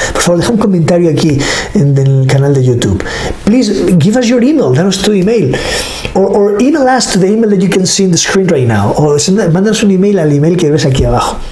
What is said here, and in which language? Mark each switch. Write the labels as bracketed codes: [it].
[es] Por favor, deja un comentario aquí en el canal de YouTube. [en] Please, give us your email, [es] danos tu email. [en] Or email us to the email that you can see in the screen right now. [es] O mándanos un email al email que ves aquí abajo.